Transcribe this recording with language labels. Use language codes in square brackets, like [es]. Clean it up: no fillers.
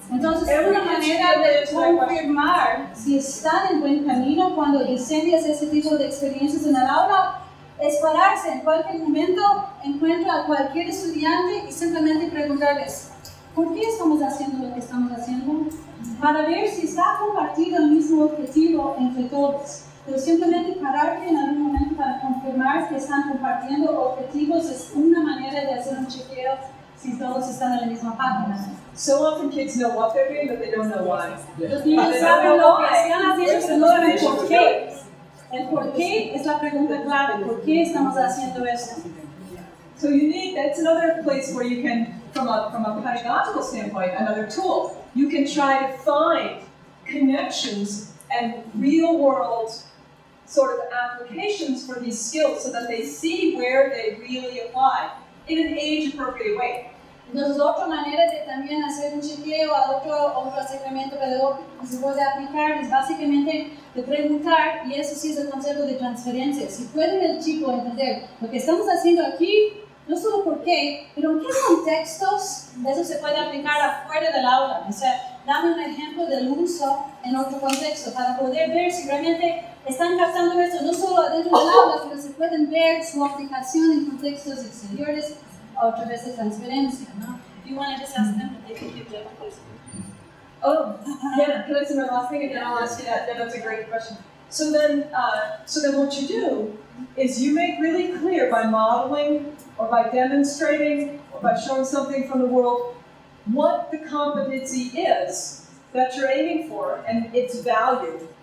[es] Entonces, es una manera de confirmar si están en buen camino cuando diseñas ese tipo de experiencias en el aula, es pararse en cualquier momento, encuentra a cualquier estudiante y simplemente preguntarles, ¿por qué estamos haciendo lo que estamos haciendo? Para ver si está compartido el mismo objetivo entre todos. Pero simplemente pararte en algún momento para confirmar que están compartiendo objetivos es una manera de hacer un chequeo si todos están en la misma página. [en] So often kids know what they're doing, but they don't know why. [es] Los niños saben lo que están haciendo, pero no saben por qué. El por qué es la pregunta clave. ¿Por qué estamos haciendo esto? [en] So you need, that's another place where you can, from a pedagogical standpoint, another tool. You can try to find connections and real world sort of applications for these skills so that they see where they really apply in an age-appropriate way. [es] Entonces, otra manera de también hacer un chequeo a otro acercamiento pedagógico que se puede aplicar es básicamente de preguntar, y eso sí es el concepto de transferencia, si puede el chico entender lo que estamos haciendo aquí, no solo por qué, pero en qué contextos eso se puede aplicar afuera del aula. O sea, dame un ejemplo del uso en otro contexto para poder ver si realmente están captando esto no solo dentro del aula, sino se pueden ver su aplicación en contextos exteriores a través de transferencia, ¿no? [en] If you want to just ask them, they can give you a question. Oh, yeah, that's my last thing, and then I'll ask you that. That's a great question. So then what you do is you make really clear by modeling or by demonstrating or by showing something from the world what the competency is that you're aiming for and its value.